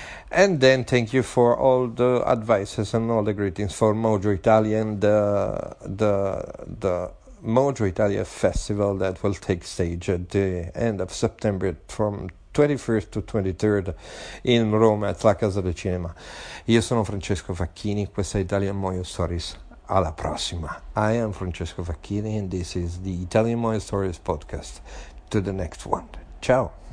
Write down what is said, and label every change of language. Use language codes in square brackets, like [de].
[en] And then thank you for all the advices and all the greetings for Mojo Italian, the Mojo Italia Festival that will take stage at the end of September from 21st to 23rd in Roma at La Casa del Cinema. [it] Io sono Francesco Facchini, questa è Italian Mojo Stories. Alla prossima. [en] I am Francesco Facchini and this is the Italian Mojo Stories podcast. To the next one. Ciao.